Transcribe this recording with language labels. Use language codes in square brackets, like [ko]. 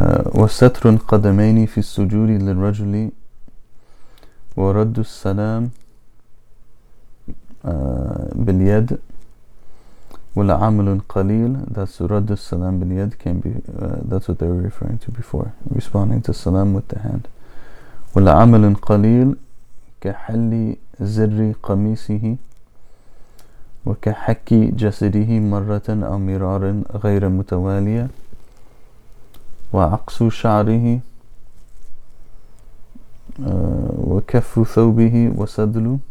[ar] وستر القدمين في السجود للرجل ورد السلام باليد وَلَعَمْلُ قَلِيلٌ. [en] That's [ar] رد السلام باليد, [en] can be that's what they were referring to before, responding to salam with the hand. [ar] وَلَعَمْلُ قَلِيلٌ كَحَلِّ زِرِّ قَمِيسِهِ وَكَحَكِّ جَسِدِهِ مَرَّةً أَوْ مِرَارًا غَيْرَ مُتَوَالِيَةً وَعَقْسُ شَعْرِهِ وَكَفُّ ثَوْبِهِ وَسَدْلُ